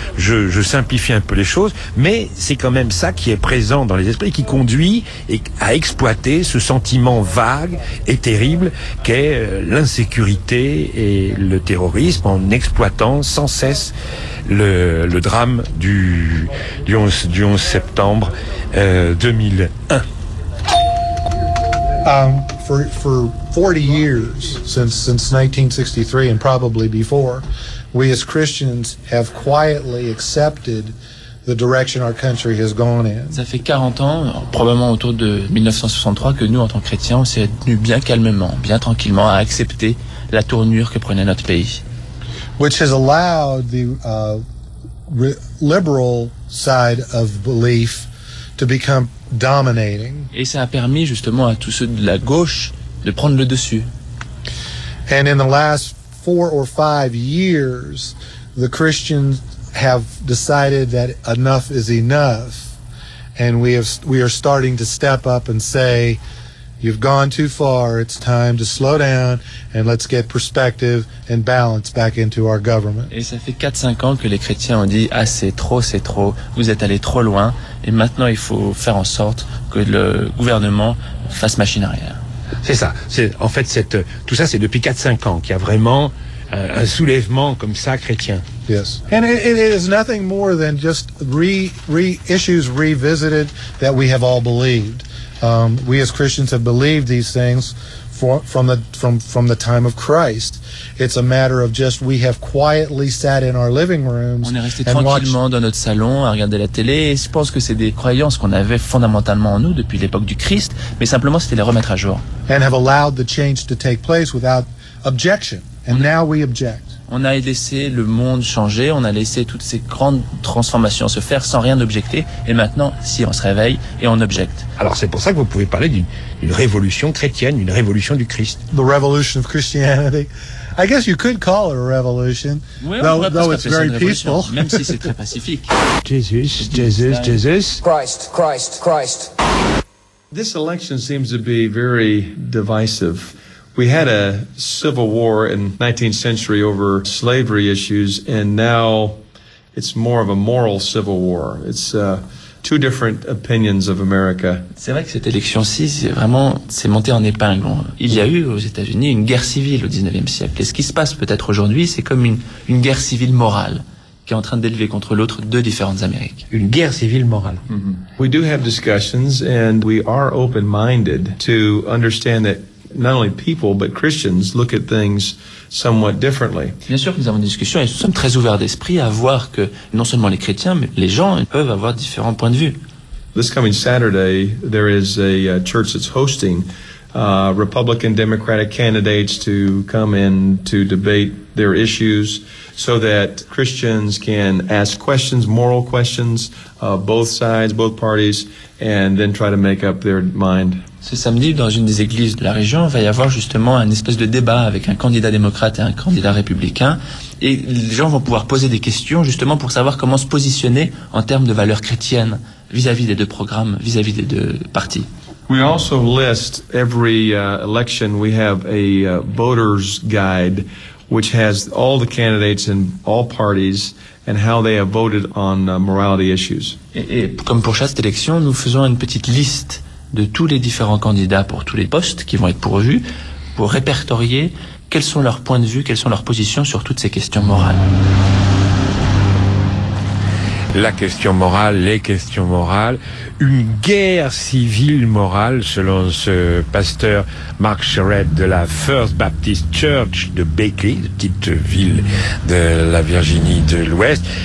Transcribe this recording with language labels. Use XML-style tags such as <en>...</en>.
<fr>Je simplifie un peu les choses, mais c'est quand même ça qui est présent dans les esprits, qui conduit à exploiter ce sentiment vague et terrible qu'est l'insécurité et le terrorisme, en exploitant sans cesse le drame du 11 septembre 2001.</fr> <en>For 40 years, since 1963 and probably before, we as Christians have quietly accepted the direction our country has gone in.</en> <fr>Ça fait 40 ans, probablement autour de 1963, que nous, en tant que chrétiens, on s'est tenus bien calmement, bien tranquillement, à accepter la tournure que prenait notre pays.</fr> <en>Which has allowed the liberal side of belief to become dominating.</en> <fr>Et ça a permis justement à tous ceux de la gauche de prendre le dessus.</fr> <en>And in the last 4 or 5 years, the Christians have decided that enough is enough, and we are starting to step up and say, you've gone too far, it's time to slow down and let's get perspective and balance back into our government.</en> <fr>Et ça fait 4-5 ans que les chrétiens ont dit assez, trop, c'est trop, vous êtes allés trop loin, et maintenant il faut faire en sorte que le gouvernement fasse machine arrière. C'est ça. C'est, en fait, tout ça, c'est depuis 4-5 ans qu'il y a vraiment un soulèvement comme ça chrétien.</fr> <en>Yes. And it is nothing more than just issues revisited that we have all believed. We as Christians have believed these things from the time of Christ. It's a matter of just we have quietly sat in our living rooms.</en> <fr>On est resté tranquillement dans notre salon à regarder la télé. Et je pense que c'est des croyances qu'on avait fondamentalement en nous depuis l'époque du Christ, mais simplement c'était les remettre à jour.</fr> <en>And have allowed the change to take place without objection. And now we object.</en> <fr>On a laissé le monde changer, on a laissé toutes ces grandes transformations se faire sans rien objecter, et maintenant, si, on se réveille et on objecte. Alors c'est pour ça que vous pouvez parler d'une révolution chrétienne, une révolution du Christ.</fr> <en>The revolution of Christianity. I guess you could call it a revolution. Oui, on pourrait presque appeler ça une révolution, même si c'est très pacifique. Jesus, Jesus, Jesus. Christ, Christ, Christ. This election seems to be very divisive. We had a civil war in 19th century over slavery issues, and now it's more of a moral civil war. It's two different opinions of America.</en> <fr>C'est vrai que cette élection-ci, c'est vraiment, c'est monté en épingle. Il y a eu aux États-Unis une guerre civile au 19e siècle. Et ce qui se passe peut-être aujourd'hui, c'est comme une guerre civile morale qui est en train d'élever contre l'autre deux différentes Amériques. Une guerre civile morale.</fr> <en>Mm-hmm. We do have discussions and we are open-minded to understand that not only people but Christians look at things somewhat differently.</en> <fr>Bien sûr que nous avons des discussions et nous sommes très ouverts d'esprit à voir que non seulement les chrétiens mais les gens peuvent avoir différents points de vue.</fr> <en>This coming Saturday there is a church that's hosting Republican Democratic candidates to come in to debate their issues so that Christians can ask questions, moral questions of both sides, both parties, and then try to make up their mind.</en> <fr>Ce samedi, dans une des églises de la région, il va y avoir justement un espèce de débat avec un candidat démocrate et un candidat républicain. Et les gens vont pouvoir poser des questions justement pour savoir comment se positionner en termes de valeurs chrétiennes vis-à-vis des deux programmes, vis-à-vis des deux partis.</fr> <en>We also list every election, we have a voter's guide which has all the candidates and all parties and how they have voted on morality issues.</en> <fr>Et comme pour chaque élection, nous faisons une petite liste de tous les différents candidats pour tous les postes qui vont être pourvus, pour répertorier quels sont leurs points de vue, quelles sont leurs positions sur toutes ces questions morales. La question morale, les questions morales, une guerre civile morale, selon ce pasteur Mark Charette de la First Baptist Church de Bakley, petite ville de la Virginie de l'Ouest.</fr>